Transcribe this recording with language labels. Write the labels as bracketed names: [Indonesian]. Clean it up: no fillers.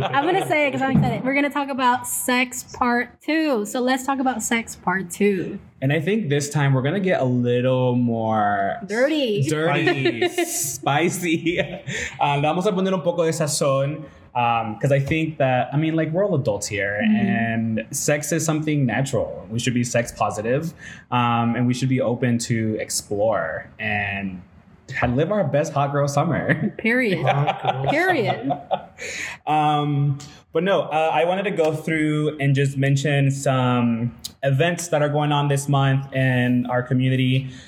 [English] I'm going to say it because I'm excited. We're going to talk about sex part two. So let's talk about sex part two. And I think this time we're going to get a little more... Dirty. Spicy. [Spanish] Le vamos a poner un poco de sazón. [English] Because I think that, I mean, like, we're all adults here, mm-hmm. and sex is something natural. We should be sex positive, and we should be open to explore and live our best hot girl summer. Period. Period. But no, I wanted to go through and just mention some events that are going on this month in our community.